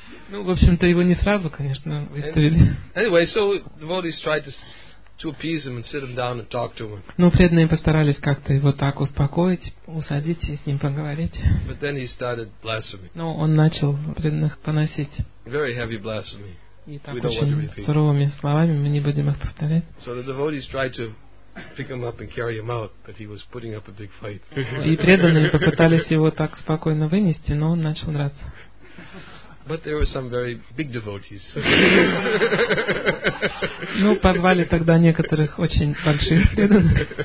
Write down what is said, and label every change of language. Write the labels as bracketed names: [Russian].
[Russian] Ну, в общем-то, его не сразу, конечно, выставили. [English] Anyway, so the devotees tried to appease him and sit him down and talk to him. [Russian] Ну, преданные постарались как-то его так успокоить, усадить и с ним поговорить. [English] But then he started blaspheming. [Russian] Ну, он начал преданных поносить. [English] Very heavy blasphemy. [Russian] И так очень суровыми словами, мы не будем их повторять. [English] So the devotees tried to pick him up and carry him out, but he was putting up a big fight. [Russian] И преданные попытались его так спокойно вынести, но он начал драться. [English] But there were some very big devotees. [Russian] Ну, позвали тогда некоторых очень больших преданных.